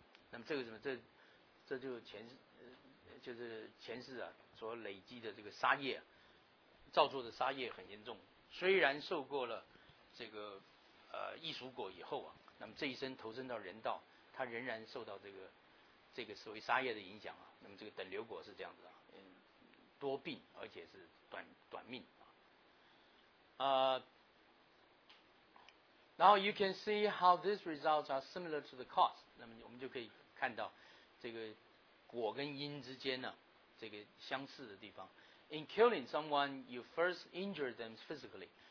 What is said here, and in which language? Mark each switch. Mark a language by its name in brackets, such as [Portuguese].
[Chinese] 那么这个什么，这就是前世，就是前世啊所累积的这个杀业，造作的杀业很严重，虽然受过了这个异俗果以后啊，那么这一生投身到人道，他仍然受到这个所谓杀业的影响啊。那么这个等流果是这样子啊，多病，而且是短命。 [English] Now you can see how these results are similar to the cause. [Chinese] 那么我们就可以看到这个果跟因之间呢，这个相似的地方。 [English] In killing someone, you first injure them physically.